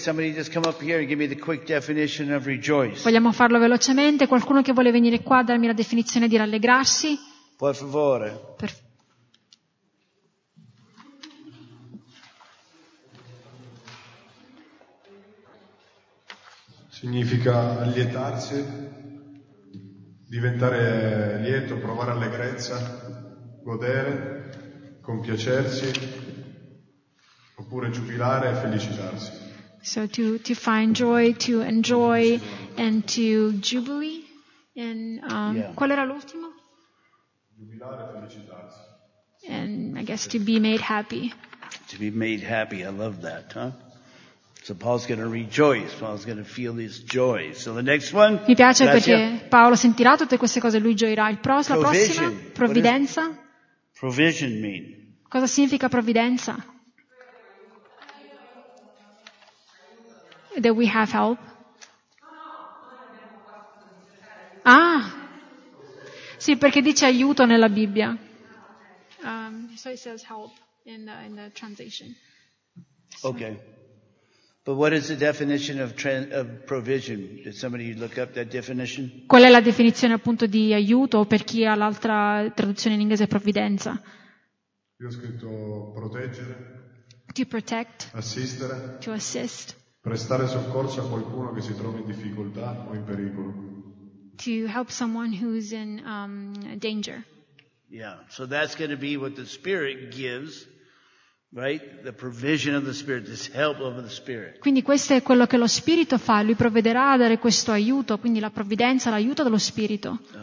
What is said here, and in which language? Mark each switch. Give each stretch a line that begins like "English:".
English: Somebody just come up here and give me the quick definition of rejoice.
Italian: Vogliamo farlo velocemente. Qualcuno che vuole venire qua a darmi la definizione di rallegrarsi? Por favore. Significa allietarsi, diventare lieto, provare allegrezza, godere, compiacersi, oppure giubilare e felicitarsi.
English: So to find joy, to enjoy and to jubilee. And
Italian: qual era l'ultimo? Giubilare e felicitarsi.
English: And I guess to be made happy. To be made happy, I love that, huh? So Paul's going to rejoice. Paul's going to feel his joy. So the next one.
Italian: Mi piace perché Paolo sentirà tutte queste cose e lui gioirà. Il prossimo, la prossima, provvidenza.
English: Provision mean.
Italian: Cosa significa provvidenza?
English: That we have help.
Italian: Ah. Sì, perché dice aiuto nella Bibbia.
English: So it says help in the translation. So. Okay. But what is the definition of provision? Did somebody look up that definition?
Italian: Qual è la definizione appunto di aiuto per chi ha l'altra traduzione in inglese provvidenza? Io ho scritto proteggere.
English: To protect.
Italian: Assistere.
English: To assist.
Italian: Prestare soccorso a qualcuno che si trova in difficoltà o in pericolo.
English: To help someone who's in danger. Yeah, so that's going to be what the Spirit gives. Right? The provision of the Spirit, this help of the Spirit.
Italian: Quindi questo è quello che lo Spirito fa, lui provvederà a dare questo aiuto, quindi la provvidenza, l'aiuto dello Spirito.